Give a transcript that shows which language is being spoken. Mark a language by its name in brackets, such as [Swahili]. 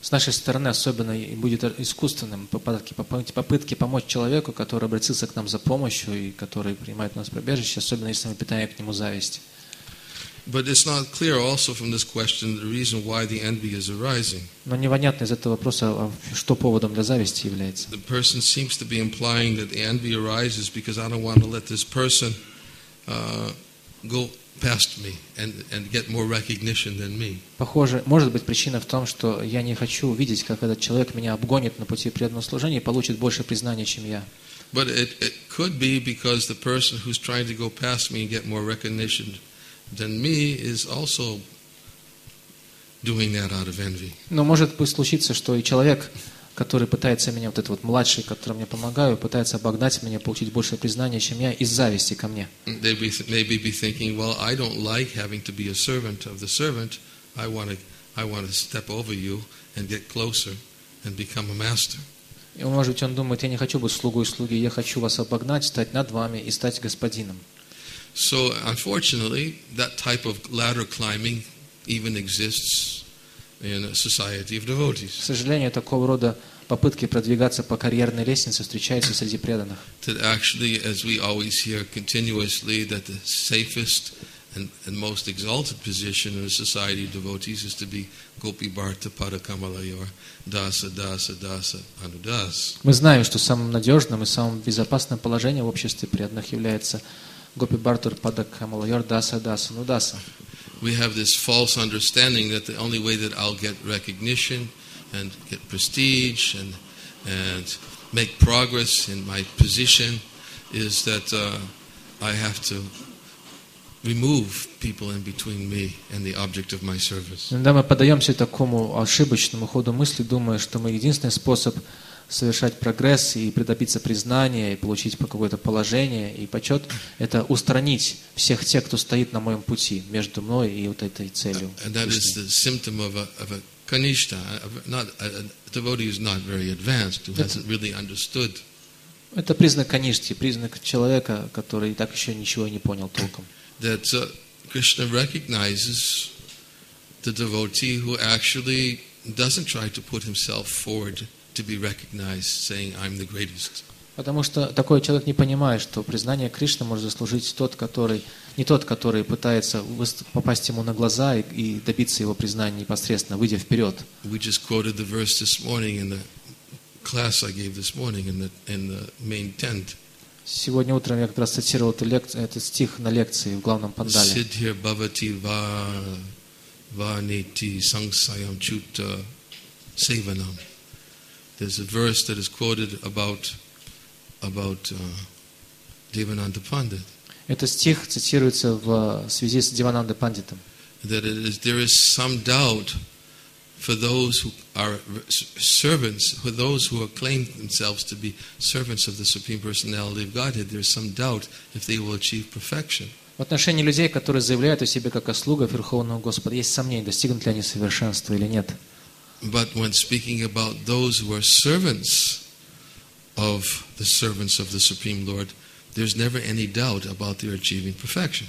[Russian] С нашей стороны особенно будет искусственным попытки помочь человеку, который обратился к нам за помощью и который принимает у нас прибежище, особенно если мы питаем к нему зависть. [English] But it's not clear also from this question the reason why the envy is arising. [Russian] Но непонятно из этого вопроса, что поводом для зависти является. [English] The person seems to be implying that the envy arises because I don't want to let this person go past me and get more recognition than me. [Russian] Похоже, может быть причина в том, что я не хочу увидеть, как этот человек меня обгонит на пути преданного служения и получит больше признания, чем я. [English] But it could be because the person who's trying to go past me and get more recognition than me is also doing that out of envy. [Russian] Но может быть случиться, что и человек, который пытается меня, вот этот вот младший, который мне помогаю, пытается обогнать меня, получить больше признания, чем я, из зависти ко мне. [English] Maybe be thinking, well, I don't like having to be a servant of the servant. I want to step over you and get closer and become a master. [Russian] И может быть он думает, я не хочу быть слугой слуги, я хочу вас обогнать, стать над вами и стать господином. [English] So, unfortunately, that type of ladder climbing even exists in a society of devotees. [Russian] К сожалению, такого рода попытки продвигаться по карьерной лестнице встречаются среди преданных. [English] That actually, as we always hear continuously, that the safest and most exalted position in a society of devotees is to be [Sanskrit] Gopi Bharata Padakamalayor Dasa Dasa Dasa Anudas. [Russian] Мы знаем, что самым надежным и самым безопасным положением в обществе преданных является [Sanskrit] Gopi Bharata Padakamalayor Dasa Dasa Anudas. [English] We have this false understanding that the only way that I'll get recognition and get prestige and make progress in my position is that I have to remove people in between me and the object of my service. [Russian] Иногда мы поддаемся такому ошибочному ходу мысли, думая, что мы единственный способ совершать прогресс и придобиться признания и получить какое-то положение и почет, это устранить всех тех, кто стоит на моем пути между мной и вот этой целью. [English] And that is the symptom of a kanishta, not a devotee who's not very advanced, who hasn't really understood. [Russian] Это признак каништи, признак человека, который так еще ничего не понял толком. [English] That Krishna recognizes the devotee who actually doesn't try to put himself forward to be recognized, saying, "I'm the greatest." [Russian] Потому что такой человек не понимает, что признание Кришны может заслужить тот, который не тот, который пытается попасть ему на глаза и добиться его признания непосредственно, выйдя вперед. [English] We just quoted the verse this morning in the class I gave this morning in the main tent. [Russian] Сегодня утром я как раз цитировал этот стих на лекции в главном пандале. [Sanskrit] Siddhir bhavati vaniti sangsayam chuta sevanam. [English] There's a verse that is quoted about Devananda Pandit. [Russian] Этот стих цитируется в связи с Девананда Пандитом. [English] That there is some doubt for those who are servants, for those who are claimed themselves to be servants of the Supreme Personality of Godhead, there is some doubt if they will achieve perfection. [Russian] В отношении людей, которые заявляют о себе как о слугах Верховного Господа, есть сомнения, достигнут ли они совершенства или нет. [English] But when speaking about those who are servants of the servants of the Supreme Lord, there's never any doubt about their achieving perfection.